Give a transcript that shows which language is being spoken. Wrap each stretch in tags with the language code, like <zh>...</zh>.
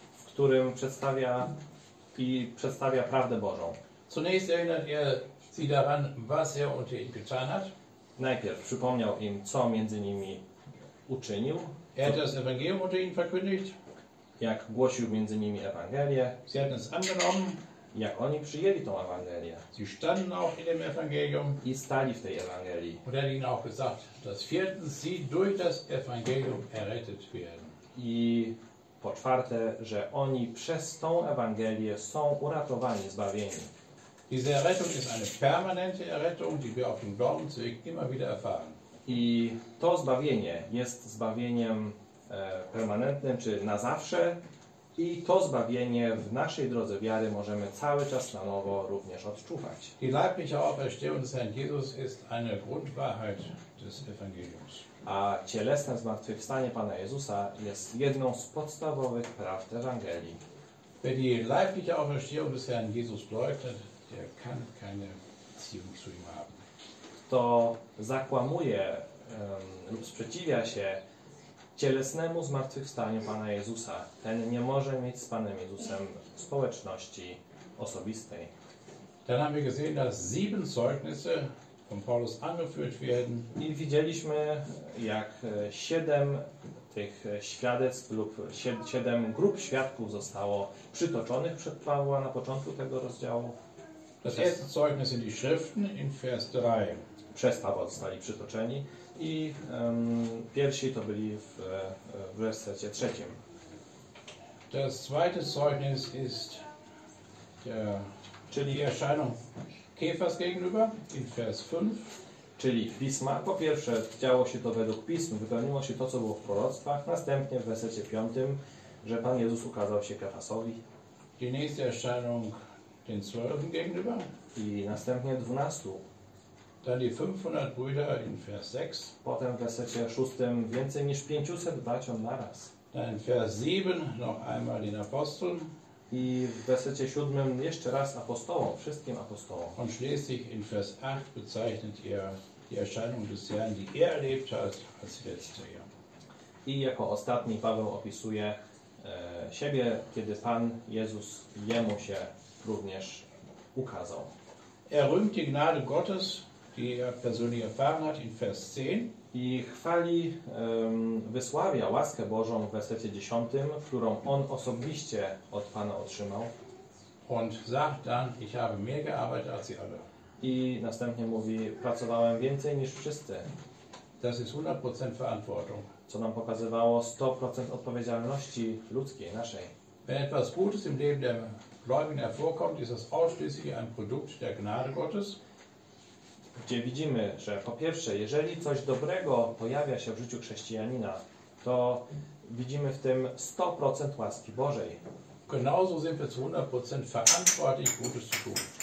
<pl>W którym przedstawia i przedstawia prawdę Bożą.</pl> <de>Zunächst erinnert er sie daran, was er unter ihnen getan hat.</de> <pl>Najpierw przypomniał im, co między nimi uczynił.</pl> <de>Er hat das Evangelium unter ihnen verkündigt.</de> <pl>Jak głosił między nimi Ewangelię.</pl> <de>Sie hatten es angenommen.</de> <pl>Jak oni przyjęli tą Ewangelię.</pl> <de>Sie standen auch in dem Evangelium.</de> <pl>I stali w tej Ewangelii.</pl> <de>Und er hat ihnen auch gesagt, dass viertens sie durch das Evangelium errettet werden.</de> <pl>I po czwarte, że oni przez tą Ewangelię są uratowani, zbawieni.</pl> <de>Diese Errettung ist eine permanente Errettung, die wir auf dem Glaubensweg immer wieder erfahren.</de> <pl>I to zbawienie jest zbawieniem permanentnym, czy na zawsze. I to zbawienie w naszej drodze wiary możemy cały czas na nowo również odczuwać.</pl> <de>Die leibliche Auferstehung des Herrn Jesus ist eine Grundwahrheit des Evangeliums.</de> <pl>A cielesne zmartwychwstanie Pana Jezusa jest jedną z podstawowych prawd Ewangelii.</pl> <de>Wer die leibliche Auferstehung des Herrn Jesus leugnet, der kann keine Beziehung zu ihm haben.</de> <pl>Kto zakłamuje lub sprzeciwia się cielesnemu zmartwychwstaniu Pana Jezusa, ten nie może mieć z Panem Jezusem społeczności osobistej.</pl> <de>Dann haben wir gesehen, dass 7 Zeugnisse von Paulus angeführt werden.</de> <pl>I widzieliśmy, jak 7 tych świadectw lub 7 grup świadków zostało przytoczonych przed Pawła na początku tego rozdziału.</pl> <de>Das erste Zeugnis sind die Schriften in Vers 3.</de> <pl>Przez Pawła zostali przytoczeni. I pierwsi to byli w wersecie trzecim.</pl> <de>Das zweite Zeugnis ist czyli die Erscheinung Kefas gegenüber in Vers 5.</de> <pl>Czyli pisma. Po pierwsze, działo się to według pism, wypełniło się to, co było w proroctwach. Następnie w wersecie 5, że Pan Jezus ukazał się Kefasowi.</pl> <de>Die nächste Erscheinung den 12 gegenüber.</de> <pl>I następnie 12.</pl> <de>Dann die 500 Brüder in Vers 6.</de> <pl>Potem w wersecie 6 więcej niż 500 braci naraz.</pl> <de>Dann in Vers 7 noch einmal den Aposteln.</de> <pl>I w wersecie 7 jeszcze raz apostołom, wszystkim apostołom.</pl> <de>Und schließlich in Vers 8 bezeichnet er die Erscheinung des Herrn, die er erlebt hat, als letzter.</de> <pl>I jako ostatni Paweł opisuje siebie, kiedy Pan Jezus jemu się również ukazał.</pl> <de>Er rühmt die Gnade Gottes, die er persönlich erfahren hat in Vers 10.</de> <pl>I chwali, wysławia łaskę Bożą w wersecie 10, którą on osobiście od Pana otrzymał.</pl> <de>Und sagt dann, ich habe mehr gearbeitet als sie alle.</de> <pl>I następnie mówi, pracowałem więcej niż wszyscy.</pl> <de>Das ist 100% Verantwortung.</de> <pl>Co nam pokazywało 100% odpowiedzialności ludzkiej, naszej.</pl> <de>Wenn etwas Gutes im Leben der Gläubigen hervorkommt, ist das ausschließlich ein Produkt der Gnade Gottes.</de> <pl>Gdzie widzimy, że po pierwsze, jeżeli coś dobrego pojawia się w życiu chrześcijanina, to widzimy w tym 100% łaski Bożej.</pl> <de>Genauso sind wir zu 100% verantwortlich, Gutes zu tun.</de>